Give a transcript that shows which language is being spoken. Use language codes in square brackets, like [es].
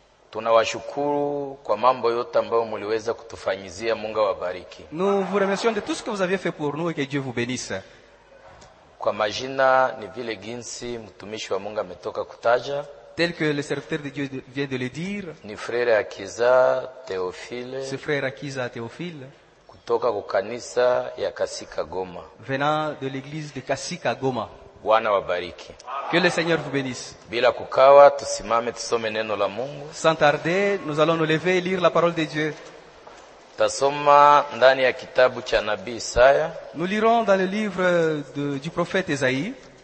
[sw] Tunawashukuru kwa mambo yote ambayo mliweza kutufanyizia, Mungu awabariki. [fr] Nous vous remercions de tout ce que vous avez fait pour nous et que Dieu vous bénisse. [sw] Kwa majina ni vile ginsi mtumishi wa Mungu ametoka kutaja. [fr] Tel que le serviteur de Dieu vient de le dire. [sw] Ni frère Akiza Théophile. [fr] Ce frère Akiza Théophile. [sw] Kutoka kwa kanisa ya Kasika Goma. [fr] Venant de l'église de Kasika Goma. [sw] Bwana wabariki. [fr] Que le Seigneur vous bénisse. [sw] Bila kukawa, tusimame tusome neno la Mungu. [fr] Sans tarder, nous allons nous lever et lire la parole de Dieu. [sw] Tasoma ndani ya kitabu cha Nabii Isaya. [fr] Nous lirons dans le livre du prophète Isaïe.